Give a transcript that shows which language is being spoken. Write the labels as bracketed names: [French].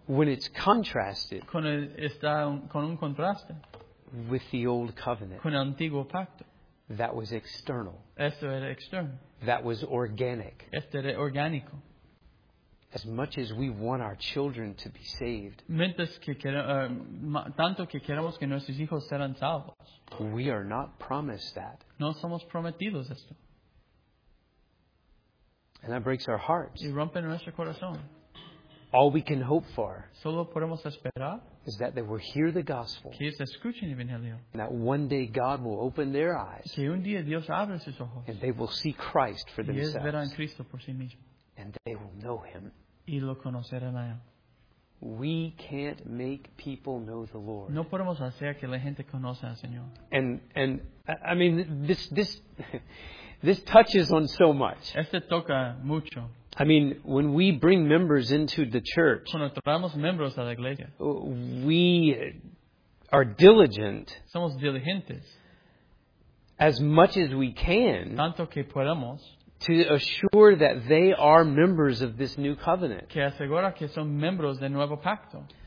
[English] when it's contrasted [Spanish] con un contraste [English] with the old covenant. [Spanish] Con el antiguo pacto. [English] That was external. [Spanish] Esto era externo. [English] That was organic. [Spanish] Esto era orgánico. [English] As much as we want our children to be saved, [Spanish] mientras que tanto que queremos que nuestros hijos sean salvos, [English] we are not promised that. [Spanish] No somos prometidos esto. [English] And that breaks our hearts. [Spanish] Y rompe nuestro corazón. [English] All we can hope for [Spanish] solo podemos esperar [English] is that they will hear the gospel. [Spanish] Que ellos escuchen el evangelio. [English] And that one day God will open their eyes. [Spanish] Que un día Dios abre sus ojos. [English] And they will see Christ for [Spanish] y [English] themselves. [Spanish] Y ellos verán Cristo por sí mismo. [English] And they will know Him. [Spanish] Y lo conocerán a Él. [English] We can't make people know the Lord. [Spanish] No podemos hacer que la gente conozca al Señor. [English] And I mean this touches on so much. [Spanish] Este toca mucho. [English] I mean, when we bring members into the church, [Spanish] cuando traemos miembros a la iglesia, [English] we are diligent. [Spanish] Somos diligentes. [English] As much as we can. [Spanish] Tanto que podemos. [English] To assure that they are members of this new covenant. [Spanish] Que asegura que son miembros del nuevo pacto.